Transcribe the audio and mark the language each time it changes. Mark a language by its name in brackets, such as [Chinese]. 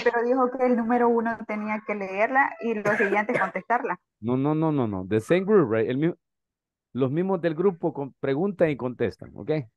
[Spanish] Pero dijo que el número uno tenía que leerla y lo siguiente contestarla. [English] No, no, no, no, no. The same group, right? [Spanish] Los mismos del grupo preguntan y contestan, ¿ok?